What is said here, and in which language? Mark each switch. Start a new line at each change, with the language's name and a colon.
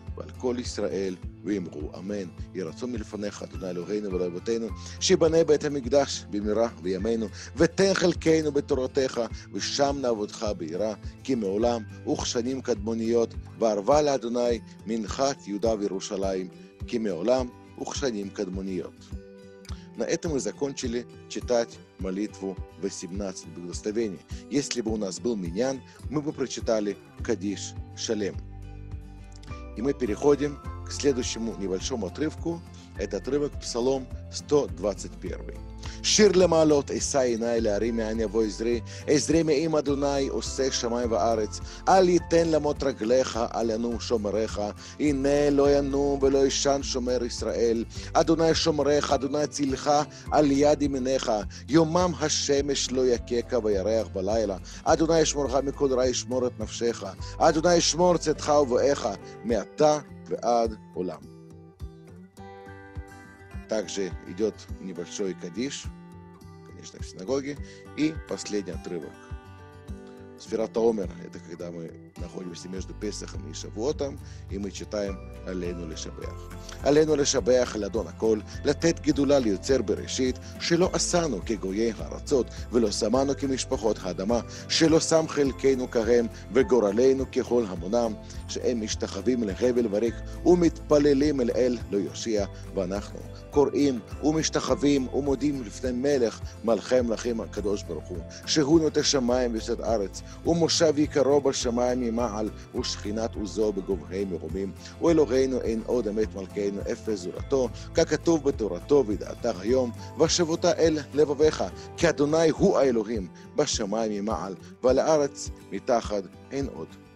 Hebrew: ועל כל ישראל, ואמרו, אמן, ירצו מלפניך, אדוני אלוהינו ולאבותינו, שיבנה בית המקדש במהרה בימינו, ותן חלקנו בתורתך, ושם נעבודך בעירה, כי מעולם וכשנים קדמוניות, וערבה לאדוני מנחת יהודה וירושלים, כי מעולם וכשנים קדמוניות.
Russian: На этом и закончили читать молитву 18 благословений. Если бы у нас был миньян, мы бы прочитали Кадиш Шалем. И мы переходим к следующему небольшому отрывку. Это отрывок Псалом 121.
Hebrew: שיר למעלות, אשא עיני להרים מאין יבוא עזרי, עזרי מעם אדוני עושה שמיים וארץ, אל ייתן למוט רגליך, אל ינום שומריך, הנה לא ינום ולא ישן שומר ישראל, אדוני שומריך, אדוני צילך, על יד ימיניך, יומם השמש לא יקקה וירח בלילה, אדוני ישמורך מכל רע ישמור את נפשך, אדוני ישמור צאתך ובואך, מעתה ועד עולם.
Russian: Также идет небольшой кадиш, конечно, в синагоге. И последний отрывок. Сфират Омер, это когда мы находимся между Песахом и Шавуотом, и мы читаем «Алейну лешабеах».
Hebrew: «Алейну лешабеах, ладон аколь, латет гидула лиуцер берешит, шело асану кегоей харацот, вело саману кемешпахот хадама, шело сам хелькейну кагем, вегоралейну кехол хамунам, שהם משתחווים לחבל וריק ומתפללים אל אל לא יושיע, ואנחנו קוראים ומשתחווים ומודים לפני מלך מלכי מלכים הקדוש ברוך הוא, שהוא נוטה שמיים ויוצאת ארץ, ומושב יקרו בשמיים ממעל, ושכינת עוזו בגובהי מרומים, ואלוהינו אין עוד אמת מלכנו אפס זורתו, ככתוב בתורתו וידעתך היום, ושבותה אל לבביך, כי אדוני הוא האלוהים בשמיים ממעל, ועל הארץ מתחת אין עוד.